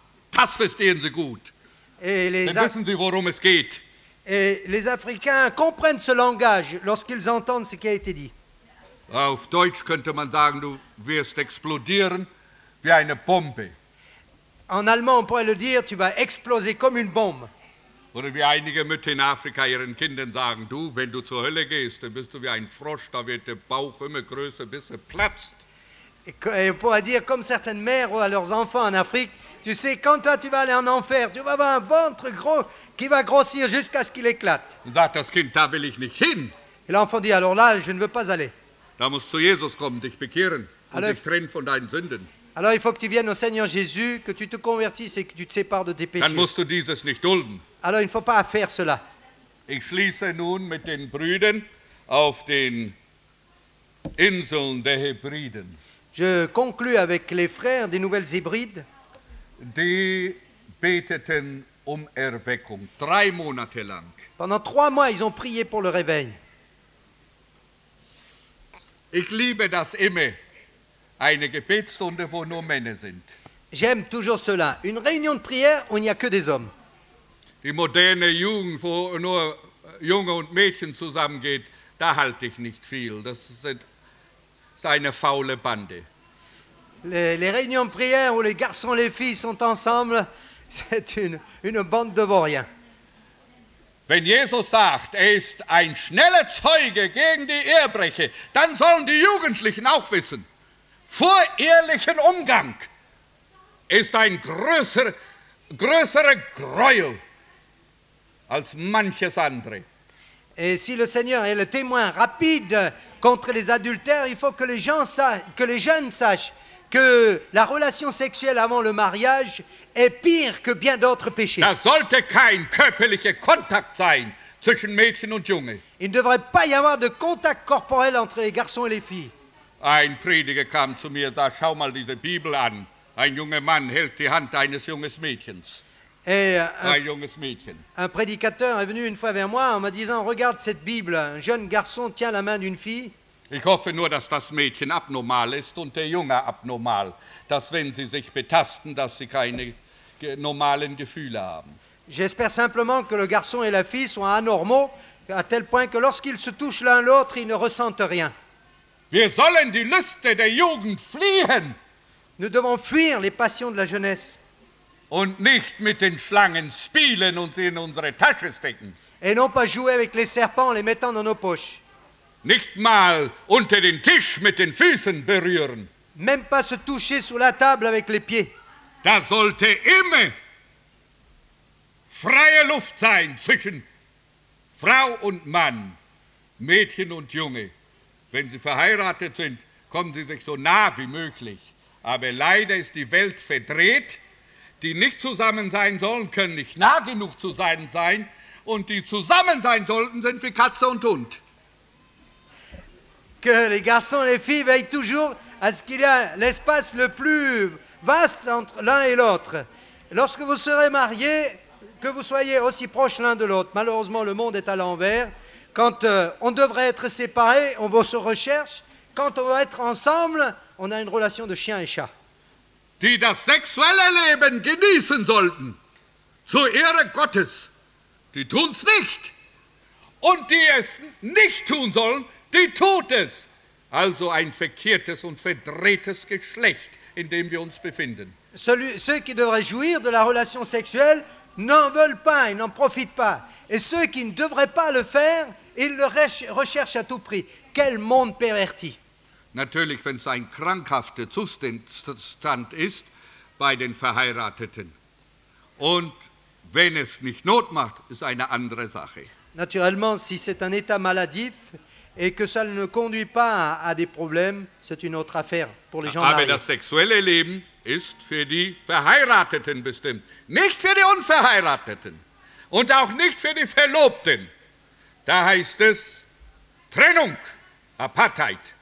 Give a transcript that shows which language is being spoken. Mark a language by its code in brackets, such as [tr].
[de] Das verstehen sie gut. Wissen sie, worum es geht. [fr] Et les Africains comprennent ce langage lorsqu'ils entendent ce qui a été dit. [de] Auf Deutsch könnte man sagen, du wirst explodieren wie eine Bombe. [fr] En allemand, on pourrait le dire, tu vas exploser comme une bombe. [de] Oder wie einige Mütter in Afrika ihren Kindern sagen, du, wenn du zur Hölle gehst, dann bist du wie ein Frosch, da wird der Bauch immer größer, bis er platzt. [fr] Et on pourrait dire, comme certaines mères ou à leurs enfants en Afrique, tu sais, quand toi tu vas aller en enfer, tu vas avoir un ventre gros qui va grossir jusqu'à ce qu'il éclate. [de] Und sagt das Kind, da will ich nicht hin. [fr] Et l'enfant dit, alors là, je ne veux pas aller. [de] Da musst du zu Jesus kommen, dich bekehren alors, und dich trennen von deinen Sünden. [fr] Alors il faut que tu viennes au Seigneur Jésus, que tu te convertisses et que tu te sépares de tes péchés. [de] Dann musst du dieses nicht dulden. [fr] Alors il ne faut pas faire cela. [de] Ich schließe nun mit den Brüdern auf den Inseln der Hebriden. [fr] Je conclus avec les frères des Nouvelles Hébrides. [de] Die beteten um Erweckung, 3 Monate lang. [fr] Pendant 3 mois, ils ont prié pour le réveil. [de] Ich liebe das immer. Eine Gebetsstunde, wo nur Männer sind. [fr] J'aime toujours cela. Une réunion de prière où il n'y a que des hommes. [de] Die moderne Jugend, wo nur Junge und Mädchen zusammengeht, da halte ich nicht viel. Das ist eine faule Bande. [fr] Les réunions de prière où les garçons et les filles sont ensemble, c'est une bande de vauriens. [de] Wenn Jesus sagt, er ist ein schneller Zeuge gegen die Ehebrecher, dann sollen die Jugendlichen auch wissen. Vor ehrlichen Umgang ist ein größerer Gräuel als manches andere. [fr] Et si le Seigneur est le témoin rapide contre les adultères, il faut que les jeunes sachent que la relation sexuelle avant le mariage est pire que bien d'autres péchés. [de] Das sollte kein körperlicher Kontakt sein zwischen Mädchen und Junge. [fr] Il ne devrait pas y avoir de contact corporel entre les garçons et les filles. [de] Ein Prediger kam zu mir und sagte, schau mal diese Bibel an. Ein junger Mann hält die Hand eines jungen Mädchens. [fr] Un prédicateur est venu une fois vers moi en me disant, regarde cette Bible, un jeune garçon tient la main d'une fille. [de] Ich hoffe nur, dass das Mädchen abnormal ist und der Junge abnormal, dass wenn sie sich betasten, dass sie keine normalen Gefühle haben. [fr] J'espère simplement que le garçon et la fille sont anormaux à tel point que lorsqu'ils se touchent l'un l'autre, ils ne ressentent rien. [de] Wir sollen die Lüste der Jugend fliehen. [fr] Nous devons fuir les passions de la jeunesse. [de] Und nicht mit den Schlangen spielen und sie in unsere Tasche stecken. [fr] Et non pas jouer avec les serpents en les mettant dans nos poches. [de] Nicht mal unter den Tisch mit den Füßen berühren. [fr] Même pas se toucher sous la table avec les pieds. [de] Da sollte immer freie Luft sein zwischen Frau und Mann, Mädchen und Junge. Wenn sie verheiratet sind, kommen sie sich so nah wie möglich. Aber leider ist die Welt verdreht. Die nicht zusammen sein sollen, können nicht nah genug zusammen sein. Und die zusammen sein sollten, sind wie Katze und Hund. [fr] Que les garçons et les filles veillent toujours à ce qu'il y a l'espace le plus vaste entre l'un et l'autre. Lorsque vous serez mariés, que vous soyez aussi proches l'un de l'autre. Malheureusement, le monde est à l'envers. Quand on devrait être séparés, on va se rechercher. Quand on va être ensemble, on a une relation de chien et chat. [de] Die das sexuelle Leben genießen sollten, zur Ehre Gottes, die tun's nicht. Und die es nicht tun sollen, die tut es. Also ein verkehrtes und verdrehtes Geschlecht, in dem wir uns befinden. [fr] Ceux qui devraient jouir de la relation sexuelle n'en veulent pas, ils n'en profitent pas. Et ceux qui ne devraient pas le faire, ils le recherchent à tout prix. Quel monde perverti! [de] Natürlich, wenn es ein krankhafter Zustand ist bei den Verheirateten. Und wenn es nicht Not macht, ist eine andere Sache. [fr] Naturellement, si c'est un état maladif et que ça ne conduit pas à des problèmes, c'est une autre affaire pour les gens [de] mariés. Aber das sexuelle Leben ist für die Verheirateten bestimmt. Nicht für die Unverheirateten und auch nicht für die Verlobten. Da heißt es Trennung, Apartheid.